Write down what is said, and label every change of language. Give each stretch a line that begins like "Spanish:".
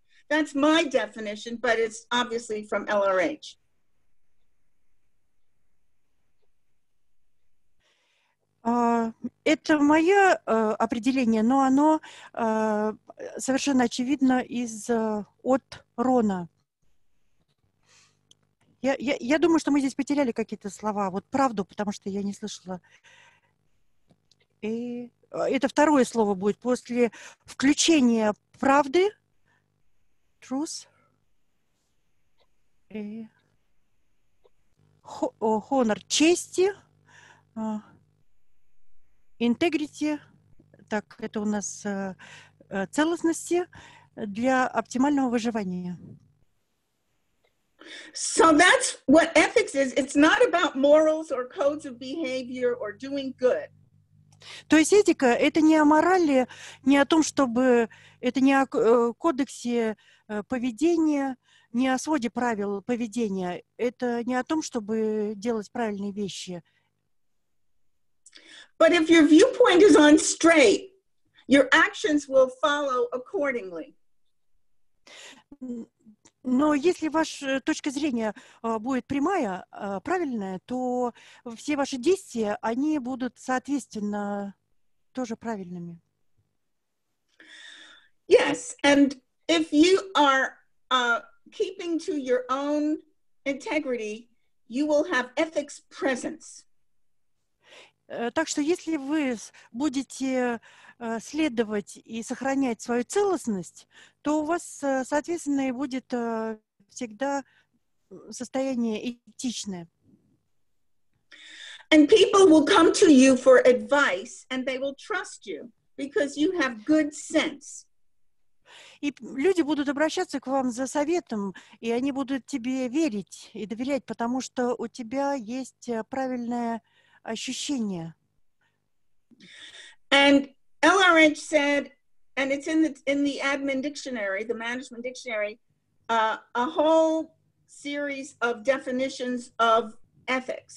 English: That's my definition, but it's obviously from LRH.
Russian: Это мое определение, но оно совершенно очевидно от Рона. Я думаю, что мы здесь потеряли какие-то слова. Вот правду, потому что я не слышала. И это второе слово будет после включения правды.
English: Truth.
Russian: И
English: honor.
Russian: Чести.
English: Integrity,
Russian: так, это у нас целостности для оптимального выживания.
English: So that's what ethics is. It's not about morals or codes of behavior or doing good.
Russian: То есть этика — это не о морали, не о том, чтобы... Это не о кодексе поведения, не о своде правил поведения. Это не о том, чтобы делать правильные вещи.
English: But if your viewpoint is on straight, your actions will follow accordingly.
Russian: Но если ваша точка зрения будет прямая, правильная, то все ваши действия, они будут, соответственно, тоже правильными.
English: Yes, and if you are keeping to your own integrity, you will have ethics presence.
Russian: Так что если вы будете следовать и сохранять свою целостность, то у вас, соответственно, и будет всегда состояние этичное.
English: And people will come to you for advice, and they will trust you, because you have good sense.
Russian: И люди будут обращаться к вам за советом, и они будут тебе верить и доверять, потому что у тебя есть правильное ощущение.
English: And LRH said, and it's in the admin dictionary, the management dictionary, a whole series of definitions of ethics.